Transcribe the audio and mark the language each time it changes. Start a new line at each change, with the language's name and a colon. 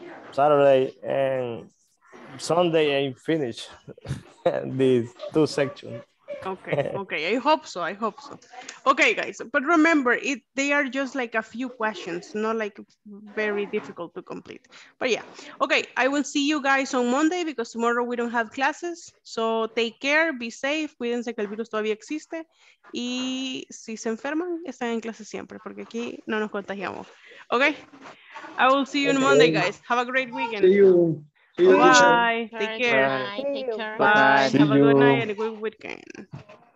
English: Saturday and Sunday I finish these two sections. Okay, okay. I hope so. Okay, guys, but remember, they are just like a few questions, not like very difficult to complete. But yeah, okay, I will see you guys on Monday because tomorrow we don't have classes. So take care, be safe,
Spanish: cuídense que el virus todavía existe. Y si se enferman, están en clase siempre porque aquí no nos contagiamos.
English: Okay, I will see you on Monday, guys. Have a great weekend. See you. Bye. Take care. Bye. Bye. Have a good night and a good weekend.